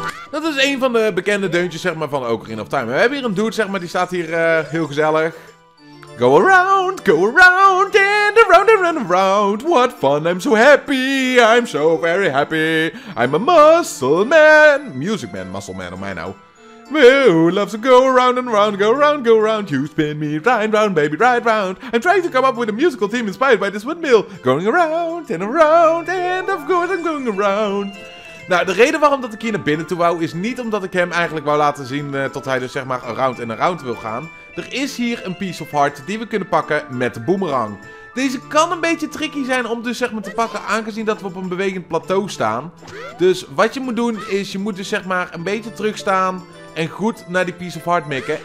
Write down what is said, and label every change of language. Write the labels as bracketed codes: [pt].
[nl] Dat is een van de bekende deuntjes zeg maar, van Ocarina of Time. We hebben hier een dude, zeg maar, die staat hier heel gezellig. [en] Go around, and around, what fun, I'm so happy, I'm so very happy. I'm a muscle man, music man, muscle man, am I now? Who loves to go around, you spin me right round, baby, right round. I'm trying to come up with a musical theme inspired by this windmill. Going around, and of course I'm going around. [nl] Nou, de reden waarom dat ik hier naar binnen toe wou, is niet omdat ik hem eigenlijk wou laten zien tot hij dus zeg maar around en around wil gaan. Er is hier een piece of heart die we kunnen pakken met de boomerang. Deze kan een beetje tricky zijn om dus zeg maar te pakken, aangezien dat we op een bewegend plateau staan. Dus wat je moet doen is, je moet dus zeg maar een beetje terugstaan en goed naar die piece of heart mikken.